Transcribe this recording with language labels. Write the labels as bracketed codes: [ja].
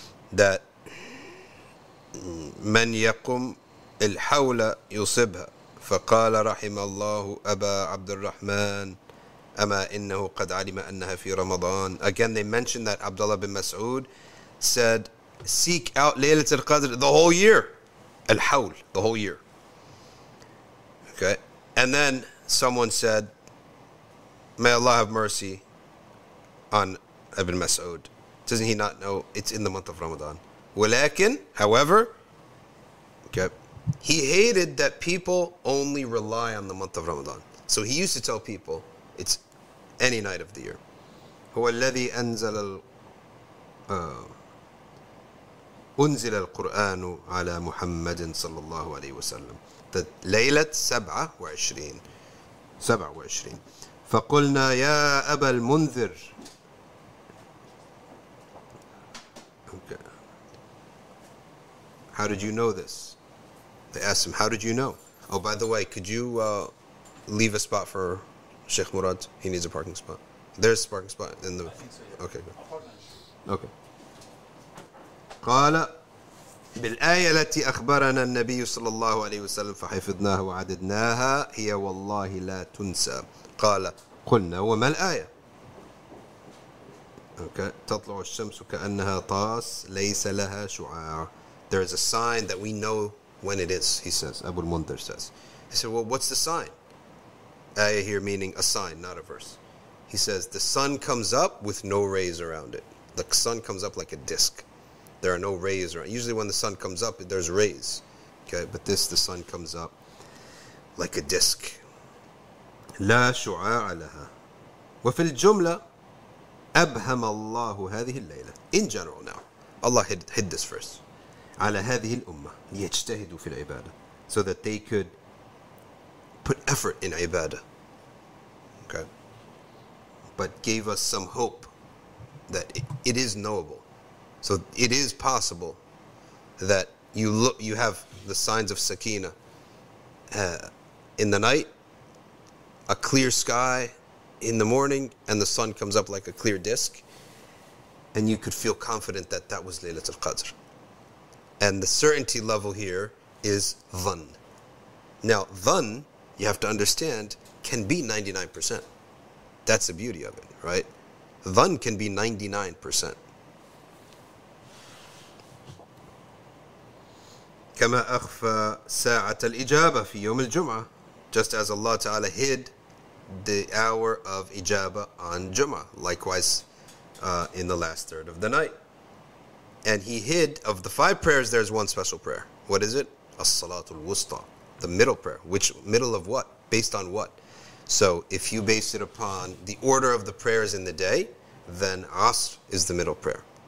[ar] That من يقوم الحول يصبها فقال رحم الله أبا عبد الرحمن أما إنه قد علم أنها في رمضان. [en] Again, they mentioned that Abdullah bin Mas'ud said, seek out Laylat al-Qadr the whole year. Al-Hawl, the whole year. Okay. And then someone said, may Allah have mercy on Ibn Mas'ud. Doesn't he not know it's in the month of Ramadan? ولكن, however, okay, he hated that people only rely on the month of Ramadan. So he used to tell people it's any night of the year. [ar] هو الذي أنزل أنزل القرآن على محمد صلى الله عليه وسلم. The ليلة 27 فَقُلْنَا يَا أَبَا الْمُنذِرِ. [en] How did you know this? They asked him, how did you know? Oh, by the way, could you leave a spot for Sheikh Murad? He needs a parking spot. There's a parking spot in the... I think so, yeah. Okay, good. Okay. [ar] قال بالآية التي أخبرنا النبي صلى الله عليه وسلم فحفظناها وعددناها هي والله لا تنسى. قال قلنا وما الآية؟ Okay. تطلع الشمس كأنها طاس ليس لها شعاع. [en] There is a sign that we know when it is, he says, Abu al-Mundhir says. He said, well, what's the sign? Ayah here meaning a sign, not a verse. He says, the sun comes up with no rays around it. The sun comes up like a disc. There are no rays around it. Usually when the sun comes up, there's rays. Okay, but this, the sun comes up like a disc. [ar] لا شعاع لها. وفي الجملة أبهم الله هذه الليلة. [en] In general now, Allah hid this verse. [ar] على هذه الأمة ليجتهدوا في العبادة, [en] so that they could put effort in ibadah. Okay, but gave us some hope that it is knowable. So it is possible that you look, you have the signs of Sakina in the night, a clear sky in the morning, and the sun comes up like a clear disc, and you could feel confident that that was Laylatul Qadr. And the certainty level here is dhan. Now, dhan, you have to understand, can be 99%. That's the beauty of it, right? Dhan can be 99%. [ar] كما أخفى ساعة الإجابة في يوم الجمعة. [en] Just as Allah Ta'ala hid the hour of ijaba on Jum'ah. Likewise, in the last third of the night. And he hid, of the five prayers, there's one special prayer. What is it? As-salatul wusta, the middle prayer. Which, middle of what? Based on what? So if you base it upon the order of the prayers in the day, then asr is the middle prayer.